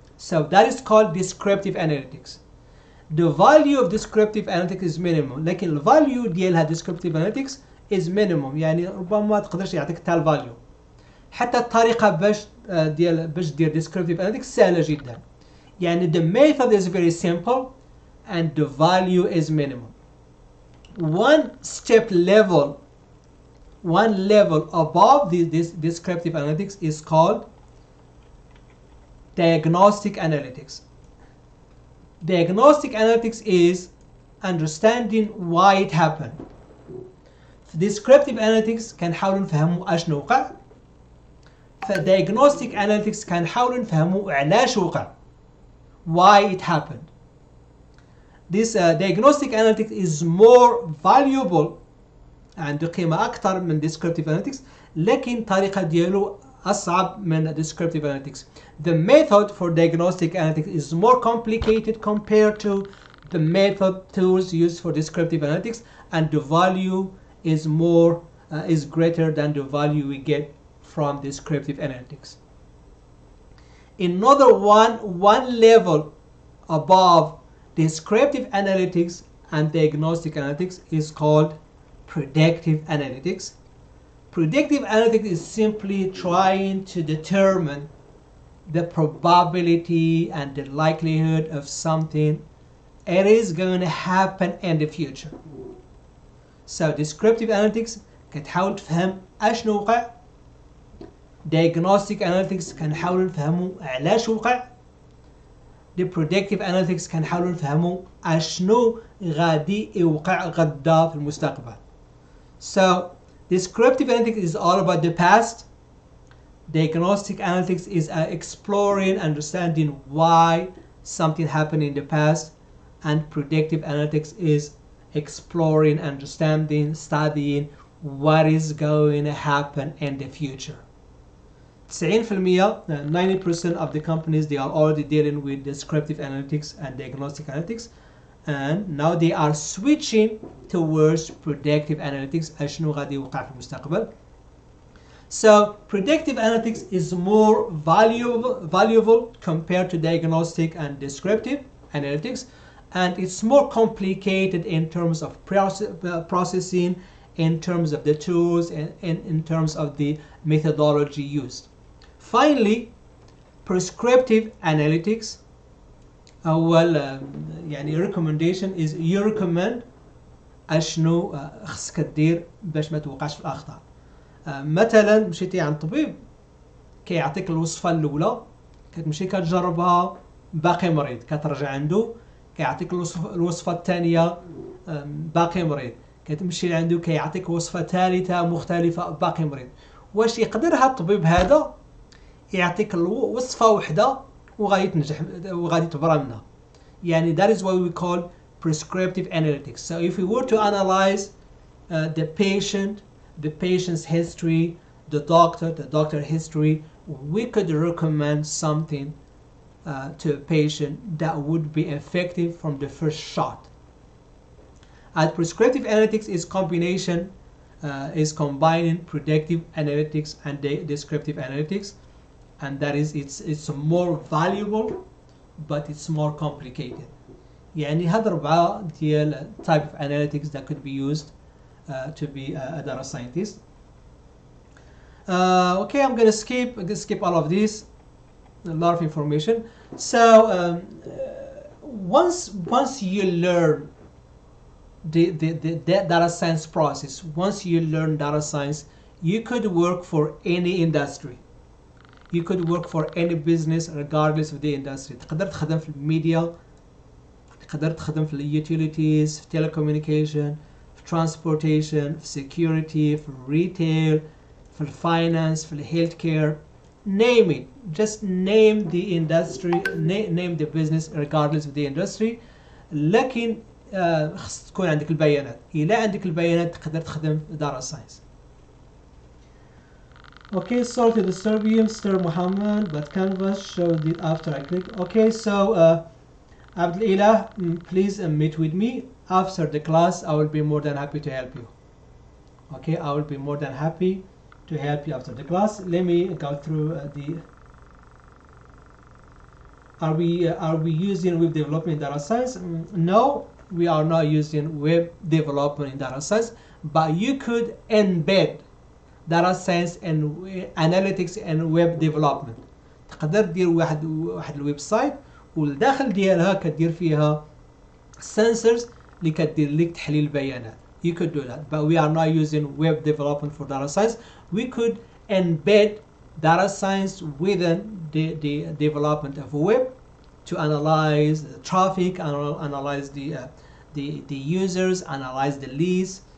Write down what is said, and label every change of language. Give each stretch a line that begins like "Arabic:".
English: So that is called descriptive analytics. The value of descriptive analytics is minimum.
Arabic: لكن ال
English: value
Arabic: ديالها
English: descriptive analytics is minimum.
Arabic: يعني ربما ما تقدرش يعطيك حتى ال value. حتى الطريقة باش دير descriptive analytics سهلة جدا.
English: يعني the method is very simple and the value is minimum. One step level, one level above this descriptive analytics is called diagnostic analytics. Diagnostic analytics is understanding why it happened.
Arabic: في descriptive analytics كان حاول نفهمه أشنو وقع. في diagnostic analytics كان حاول نفهمه علاش وقع.
English: Why it happened. This diagnostic analytics is more valuable and
Arabic: قيمة أكثر من
English: descriptive analytics.
Arabic: لكن طريقة ديالو أصعب من descriptive analytics.
English: The method for diagnostic analytics is more complicated compared to the method tools used for descriptive analytics, and the value is more is greater than the value we get from descriptive analytics. Another one level above descriptive analytics and diagnostic analytics is called predictive analytics. Predictive analytics is simply trying to determine the probability and the likelihood of something it is going to happen in the future. So descriptive analytics can help
Arabic: فهم اشنو وقع.
English: Diagnostic analytics can help
Arabic: فهموا علاش وقع.
English: The predictive analytics can help
Arabic: فهموا اشنو غادي يوقع غدا في المستقبل.
English: So descriptive analytics is all about the past. Diagnostic analytics is exploring, understanding why something happened in the past. And predictive analytics is exploring, understanding, studying what is going to happen in the future. 90% of the companies, they are already dealing with descriptive analytics and diagnostic analytics. And now they are switching towards predictive analytics.
Arabic: اشنو غادي يوقع في المستقبل.
English: So predictive analytics is more valuable compared to diagnostic and descriptive analytics. And it's more complicated in terms of processing, in terms of the tools, and in terms of the methodology used. Finally, prescriptive analytics.
Arabic: أول يعني
English: recommendation is you recommend
Arabic: أشنو خصك تدير باش ما توقعش في الأخطاء. مثلا مشيتي عند طبيب كيعطيك الوصفة الأولى كتمشي كتجربها باقي مريض، كترجع عنده كيعطيك الوصفة الثانية باقي مريض، كتمشي لعندو كيعطيك وصفة ثالثة مختلفة باقي مريض. واش يقدر هذا الطبيب هذا يعطيك وصفة واحدة وغادي تنجح وغادي تبرى منها؟ يعني
English: that is what we call prescriptive analytics. So if we were to analyze the patient, the patient's history, the doctor history, we could recommend something to a patient that would be effective from the first shot. And prescriptive analytics is combination, is combining predictive analytics and descriptive analytics, and that is it's more valuable, but it's more complicated.
Arabic: يعني هاد ربعة ديال
English: type of analytics that could be used to be a data scientist. Okay, I'm gonna skip all of this, a lot of information. So once you learn the data science process, once you learn data science, you could work for any industry. You could work for any business regardless of the industry.
Arabic: تقدر تخدم في الميديا, تقدر تخدم في utilities, في telecommunication, في transportation, في security, في retail, في finance, في healthcare.
English: Name it. Just name the industry, name the business regardless of the industry.
Arabic: لكن خص تكون عندك البيانات. إلا عندك البيانات تقدر تخدم في data science.
English: Okay, sorry to disturb you, Mr. Muhammad, but Canvas showed it after I click. Okay, so Abdul Ilah, please meet with me after the class. I will be more than happy to help you. Okay, I will be more than happy to help you after the class. Let me go through the. Are we using web development in data science? No, we are not using web development in data science, but you could embed data science and analytics and web development.
Arabic: تقدر دير واحد الويب سايت والداخل ديالها كدير فيها sensors اللي كدير لك تحليل البيانات.
English: You could do that, but we are not using web development for data science. We could embed data science within the development of web to analyze the traffic, analyze the users, analyze the leads.